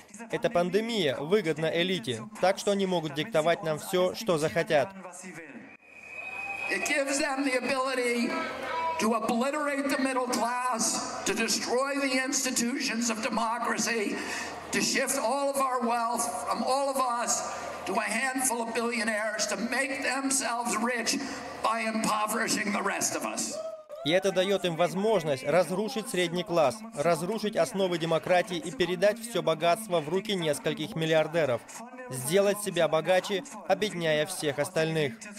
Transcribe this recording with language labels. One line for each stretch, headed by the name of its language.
Russian: Это пандемия, выгодна элите, так что они могут диктовать нам все, что захотят.
English: It gives them the ability to obliterate the middle class, to destroy the institutions of democracy, to shift all of our wealth from all of us to a handful of billionaires, to make themselves rich by impoverishing the rest of us.
Russian: И это дает им возможность разрушить средний класс, разрушить основы демократии и передать все богатство в руки нескольких миллиардеров. Сделать себя богаче, обедняя всех остальных.